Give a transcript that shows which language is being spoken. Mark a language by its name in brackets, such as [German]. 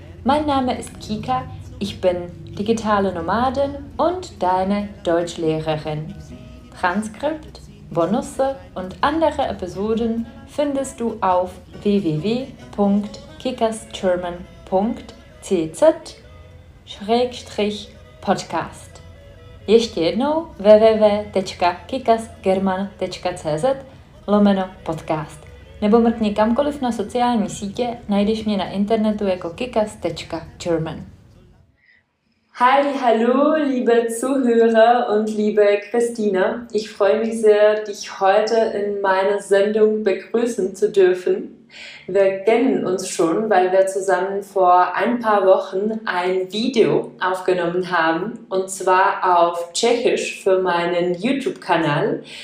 [German] Mein Name ist Kika, ich bin digitale Nomadin und deine Deutschlehrerin. Transkript, Bonusse und andere Episoden findest du auf www.kikasgerman.cz/podcast. [Czech] Ještě jednou www.kikasgerman.cz/podcast. Nebo mrkni kamkoliv na sociální sítě, najdeš mě na internetu jako kikas.german. [German] Hallihallo, liebe Zuhörer und liebe Christina. Ich freue mich sehr, dich heute in meiner Sendung begrüßen zu dürfen. Wir kennen uns schon, weil wir zusammen vor ein paar Wochen ein Video aufgenommen haben, und zwar auf Tschechisch für meinen YouTube-Kanal.